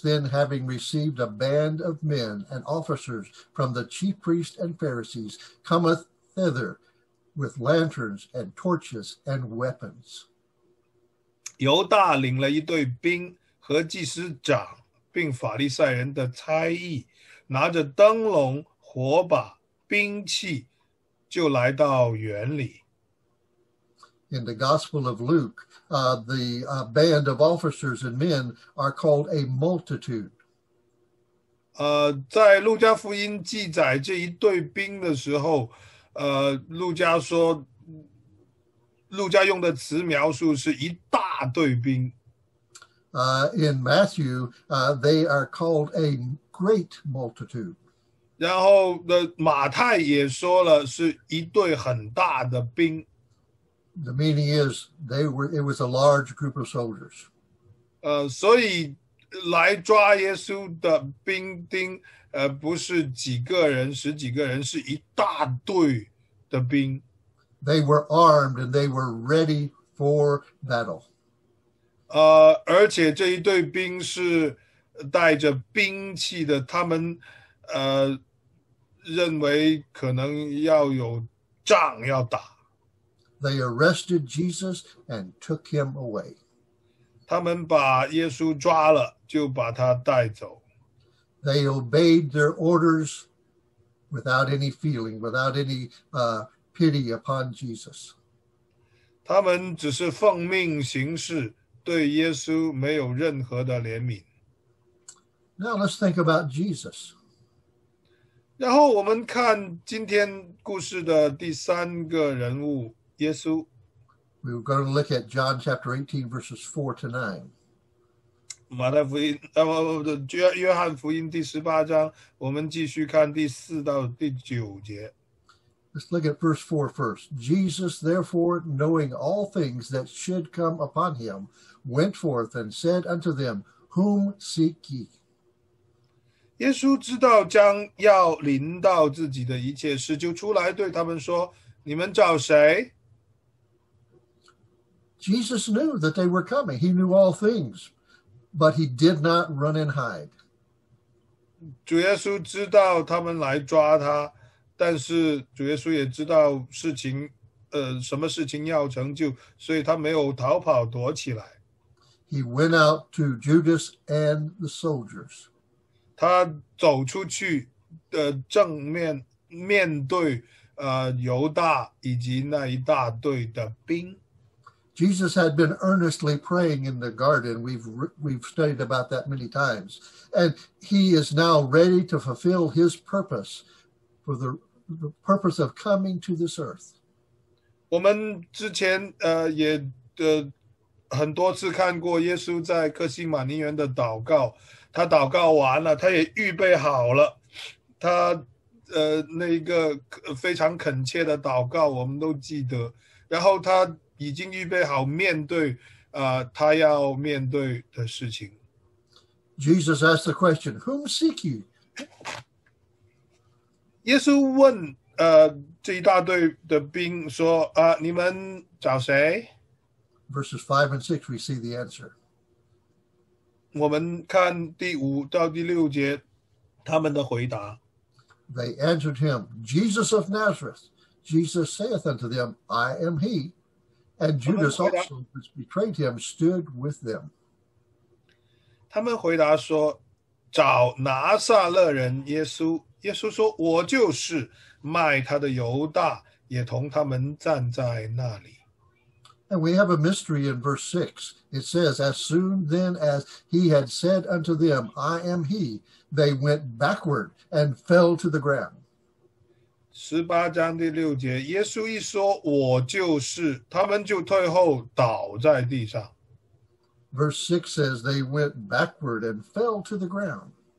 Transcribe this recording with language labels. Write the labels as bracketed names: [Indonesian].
[English] then having received a band of men and officers from the chief priests and Pharisees, cometh thither with lanterns and torches and weapons. [Chinese] 犹大领了一队兵。和祭司长并法利赛人的差役，拿着灯笼、火把、兵器，就来到园里。 [English] In the Gospel of Luke, the band of officers and men are called a multitude. [Chinese] 在路加福音记载这一队兵的时候，路加用的词描述是一大队兵。 [English] In Matthew, they are called a great multitude. [Chinese] 然后的马太也说了，是一队很大的兵。 [English] The meaning is they were. It was a large group of soldiers. [Chinese] 所以来抓耶稣的兵丁，不是几个人、十几个人，是一大队的兵。 [English] They were armed and they were ready for battle. [Chinese] 而且这一队兵是带着兵器的，他们认为可能要有仗要打。 [English] They arrested Jesus and took him away. [Chinese] 他们把耶稣抓了，就把他带走。 [English] They obeyed their orders without any feeling, without any pity upon Jesus. [Chinese] 他们只是奉命行事，对耶稣没有任何的怜悯。 [English] Now let's think about Jesus. [Chinese] 然后我们看今天故事的第三个人物。耶稣 [English] We're going to look at John chapter 18, verses 4 to 9. [Chinese] 马太福音，约翰福音第十八章，我们继续看第四到第九节。 [English] Let's look at verse 4 first. Jesus, therefore, knowing all things that should come upon him, went forth and said unto them, Whom seek ye? [Chinese] 耶稣知道将要临到自己的一切事，就出来对他们说，你们找谁？ [English] Jesus knew that they were coming. He knew all things, but he did not run and hide. [Chinese] 主耶稣知道他们来抓他，但是主耶稣也知道事情，什么事情要成就，所以他没有逃跑躲起来。 [English] He went out to Judas and the soldiers. [Chinese] 他走出去，正面面对，犹大以及那一大队的兵。 [English] Jesus had been earnestly praying in the garden. We've studied about that many times. And he is now ready to fulfill his purpose for the purpose of coming to this earth. [Chinese] 我们之前也很多次看过耶稣在客西马尼园的祷告。他祷告完了，他也预备好了。他那个非常恳切的祷告我们都记得。然后他已经预备好面对他要面对的事情。 [English] Jesus asked the question, Whom seek you? [Chinese] 耶稣问这一大队的兵说你们找谁？ [English] Verses 5 and 6, we see the answer. [Chinese] 我们看第五到第六节他们的回答。 [English] They answered him, Jesus of Nazareth. Jesus saith unto them, I am he. And Judas also, which betrayed him, stood with them. [Chinese] 他们回答说，找拿撒勒人耶稣。耶稣说，我就是。卖他的犹大也同他们站在那里。 [English] And we have a mystery in verse 6. It says, as soon then as he had said unto them, I am he, they went backward and fell to the ground. [Chinese] 十八章第六节，耶稣一说“我就是”，他们就退后，倒在地上。 [English] Verse 6 says they went backward and fell to the ground.